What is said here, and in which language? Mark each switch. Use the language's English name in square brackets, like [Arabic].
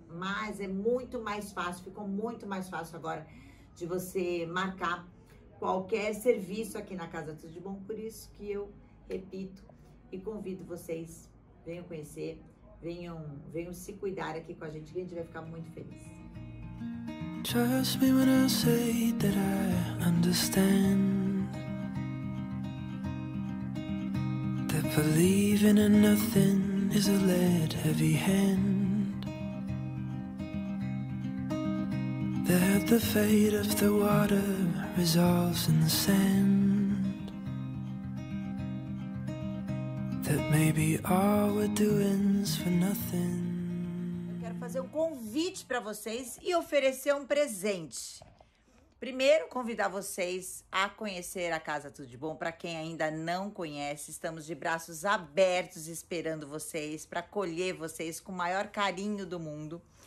[Portuguese] Mas é muito mais fácil, ficou muito mais fácil agora de você marcar qualquer serviço aqui na casa. Tudo de bom, por isso que eu repito e convido vocês, venham conhecer, venham se cuidar aqui com a gente vai ficar muito feliz. [English] Trust me when I say that I understand. Believing in nothing is a lead heavy hand. That the fate of the water resolves in the sand. That maybe all we're doing's for nothing. [Portuguese] Eu quero fazer um convite para vocês e oferecer um presente. Primeiro, convidar vocês a conhecer a Casa Tudo de Bom. Para quem ainda não conhece, estamos de braços abertos esperando vocês para acolher vocês com o maior carinho do mundo.